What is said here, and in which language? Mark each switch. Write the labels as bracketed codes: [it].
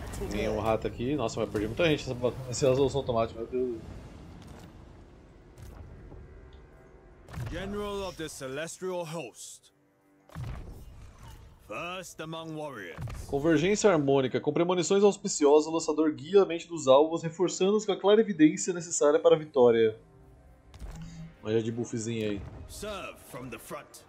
[pt] Tem um rato aqui, nossa, vai perder muita gente essa resolução automática, meu Deus. [en] General of the Celestial Host. First among warriors. [pt] Convergência harmônica, com premonições auspiciosas, o lançador guia a mente dos alvos, reforçando-os com a clara evidência necessária para a vitória. Olha de buffzinho aí. [en] Serve from the front.